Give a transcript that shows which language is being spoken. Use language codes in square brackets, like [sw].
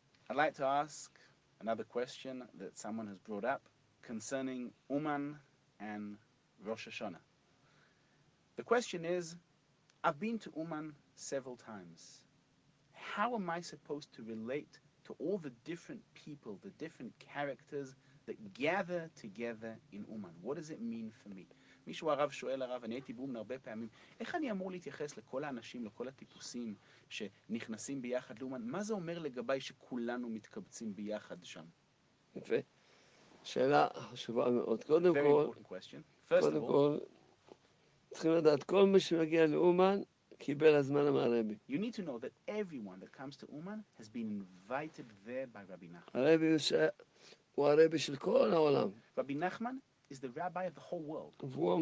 [en] I'd like to ask another question that someone has brought up concerning Uman and Rosh Hashanah. The question is, I've been to Uman several times. How am I supposed to relate to all the different people, the different characters that gather together in Uman? What does it mean for me? [he] מישהו הרב שואל הרב, אני הייתי בומן הרבה פעמים, איך אני אמור להתייחס לכל האנשים, לכל הטיפוסים שנכנסים ביחד לאומן? מה זה אומר לגבי שכולנו מתקבצים ביחד שם? יפה. שאלה חשובה מאוד. קודם כל, צריכים לדעת, כל מי שמגיע לאומן, קיבל הזמן מהרבי. [en] You need to know that everyone that comes to Uman has been invited there by Rabbi Nachman. [he] הרבי הוא הרבי של כל העולם. [en] Rabbi Nachman is the rabbi of the whole world.